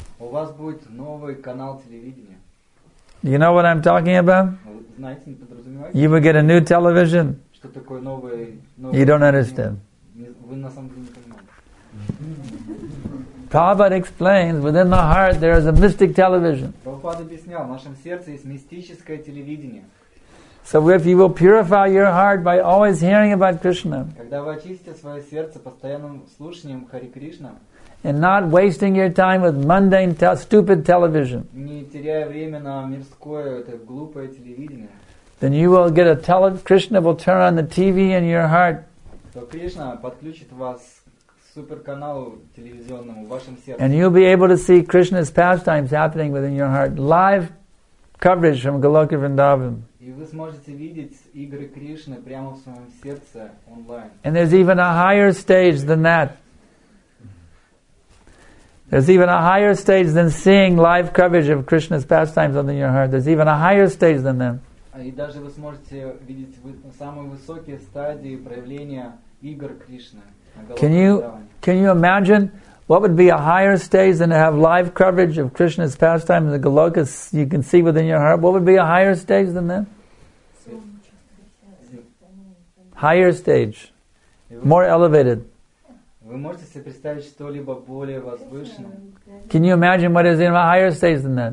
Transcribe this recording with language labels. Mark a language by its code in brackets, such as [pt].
[ru] У вас будет новый канал телевидения. [en] Do you know what I'm talking about? [ru] Знаете, не подразумеваете? [en] You will get a new television. [ru] Что такое новый? [en] You don't understand. [ru] Вы на самом деле не понимаете. [en] Prabhupada explains, within the heart there is a mystic television. [ru] Прабхупада объяснял, в нашем сердце есть мистическое телевидение. [en] So if you will purify your heart by always hearing about Krishna, [ru] когда вы очистите свое сердце постоянным слушанием Хари Кришна, [en] and not wasting your time with mundane, stupid television, [ru] не теряя время на мирское, это глупое телевидение, [en] then you will get a Krishna will turn on the TV in your heart. [ru] То Кришна подключит вас к суперканалу телевизионному в вашем сердце. [en] And you'll be able to see Krishna's pastimes happening within your heart, live coverage from Goloka Vrindavan. [ru] И вы сможете видеть игры Кришны прямо в своем сердце онлайн. [en] And there's even a higher stage than that. There's even a higher stage than seeing live coverage of Krishna's pastimes within your heart. There's even a higher stage than them. [ru] И даже вы сможете видеть самые высокие стадии проявления игр Кришны. [en] Can you imagine what would be a higher stage than to have live coverage of Krishna's pastimes in the Goloka? You can see within your heart. What would be a higher stage than that? Higher stage, more elevated. [ru] Вы можете себе представить что-либо более возвышенное? [en] Can you imagine what is in a higher stage than that?